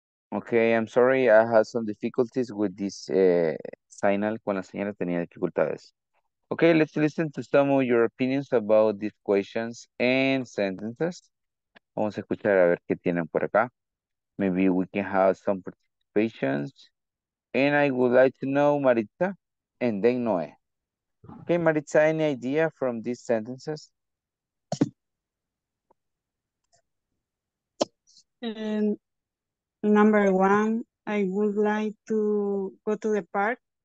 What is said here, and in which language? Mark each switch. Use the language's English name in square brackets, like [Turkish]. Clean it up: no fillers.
[English] Okay, I'm sorry, I had some difficulties with this signal. Con la señora tenía dificultades. Okay, let's listen to some of your opinions about these questions and sentences. [Spanish] Vamos a escuchar a ver qué tienen por acá. [English] Maybe we can have some participations. And I would like to know Maritza and then Noé. Okay, Maritza, any idea from these sentences? Number one, I would like to go to the park.